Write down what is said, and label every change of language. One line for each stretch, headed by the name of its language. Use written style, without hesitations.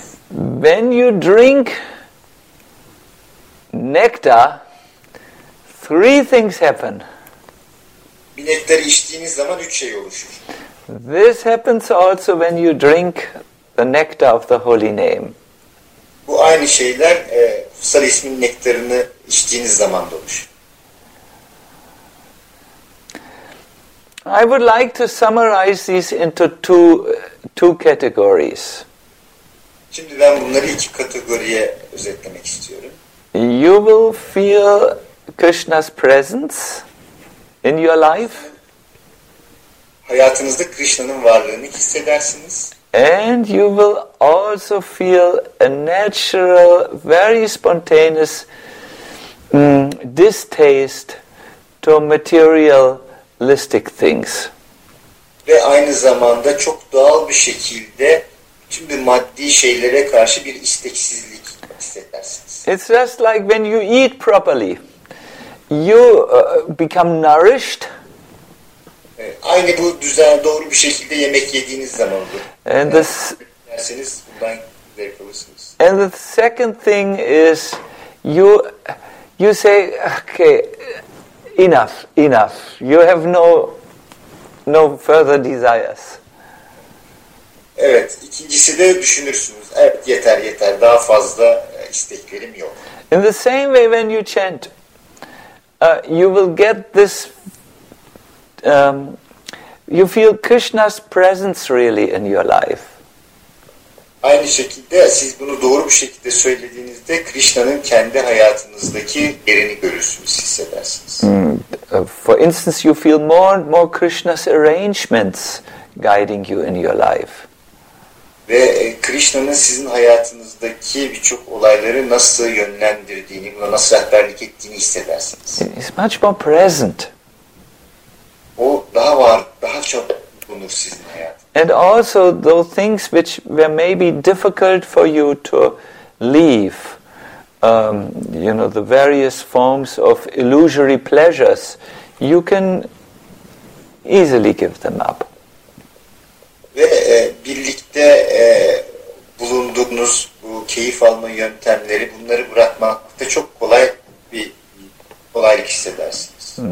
English: When you drink nectar, three things happen.
Turkish: Bir nektar içtiğiniz zaman üç şey oluşur.
English: This happens also when you drink the nectar of the holy name.
Turkish: Bu aynı şeyler kutsal ismin nektarını içtiğiniz zaman da oluşur.
English: I would like to summarize these into two categories.
Turkish: Şimdi ben bunları iki kategoriye özetlemek istiyorum.
English: You will feel Krishna's presence in your life.
Turkish: Hayatınızda Krishna'nın varlığını hissedersiniz.
English: And you will also feel a natural, very spontaneous distaste to materialistic things.
Turkish: Ve aynı zamanda çok doğal bir şekilde şimdi maddi şeylere karşı bir isteksizlik hissedersiniz.
English: It's just like when you eat properly, you become nourished.
Turkish: Aynı bu düzen doğru bir şekilde yemek yediğiniz zaman olur.
English: And the second thing is you say okay, enough. You have no further desires.
Turkish: Evet, ikincisi de düşünürsünüz. Evet, yeter. Daha fazla isteklerim yok.
English: In the same way when you chant, you will get this you feel Krishna's presence really in your life.
Turkish: Aynı şekilde siz bunu doğru bir şekilde söylediğinizde Krishna'nın kendi hayatınızdaki yerini görürsünüz, hissedersiniz.
English: For instance, you feel more and more Krishna's arrangements guiding you in your life.
Turkish: Ve Krishna'nın sizin hayatınızdaki birçok olayları nasıl yönlendirdiğini, buna nasıl rehberlik ettiğini hissedersiniz.
English: It's much more present.
Turkish: O daha var, daha çok bulunur sizin hayatınızda.
English: And also those things which were maybe difficult for you to leave, you know, the various forms of illusory pleasures, you can easily give them up.
Turkish: Ve birlikte bulunduğunuz bu keyif alma yöntemleri, bunları bırakmakta çok kolay bir kolaylık hissedersiniz.